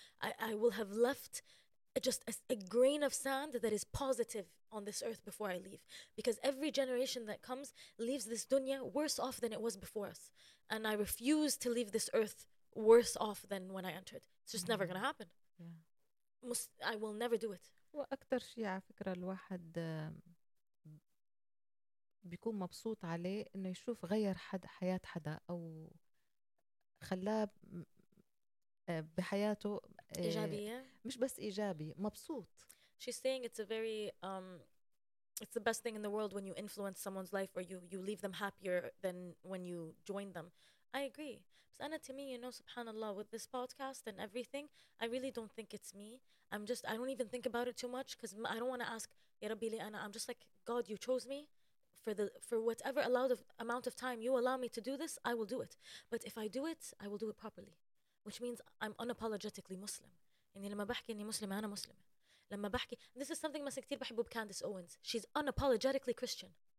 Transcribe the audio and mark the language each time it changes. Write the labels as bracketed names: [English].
[English] I will have left just a grain of sand that is positive on this earth before I leave. Because every generation that comes leaves this dunya worse off than it was before us. And I refuse to leave this earth worse off than when I entered. It's just never going to happen. Yeah. I will never do it. [Arabic] وأكتر شيء على فكرة الواحد بيكون مبسوط عليه إنه يشوف غير حد حياة حدا أو خلاه بحياته إيجابية, مش بس إيجابي, مبسوط. [English] She's saying it's a very it's the best thing in the world when you influence someone's life or you leave them happier than when you join them. I agree. But أنا, to me, you know, subhanAllah, with this podcast and everything, I really don't think it's me. I don't even think about it too much because I don't want to ask [Arabic] يا ربي لي أنا. [English] I'm just like, God, you chose me for whatever amount of time you allow me to do this, I will do it. But if I do it, I will do it properly. Which means I'm unapologetically Muslim. [Arabic] يعني لما بحكي إني مسلمة أنا مسلمة. لما بحكي, [English] this is something [Arabic] مثلاً كتير بحبه بCandice Owens. [English] She's unapologetically Christian.